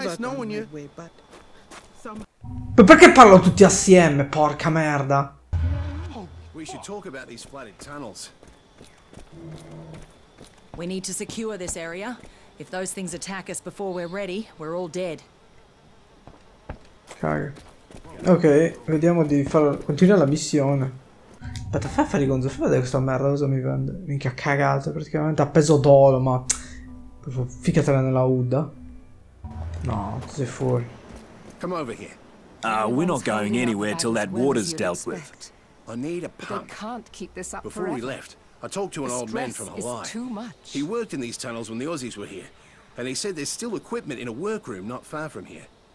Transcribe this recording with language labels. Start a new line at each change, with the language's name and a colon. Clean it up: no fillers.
Italian: Ma perché parlo tutti assieme, porca merda?
English: We should talk about these flooded tunnels. We need to secure this area. If those things attack us before we're ready, we're all dead.
Italian: Caga. Ok, vediamo di far continuare la missione. Aspetta, fai a fare i gonzo, fai vedere questa merda cosa mi vende. Minchia cagata, praticamente a peso d'oro, ma ficcatela nella UDA. No, tu sei fuori.
English: Come over here. We're not going anywhere till that water's dealt with. I need a pump. They can't keep this up. Before we left, I talked to an old man from Hawaii. Too much. He worked in these tunnels when the Aussies were here, and he said there's still equipment in a workroom not far from here.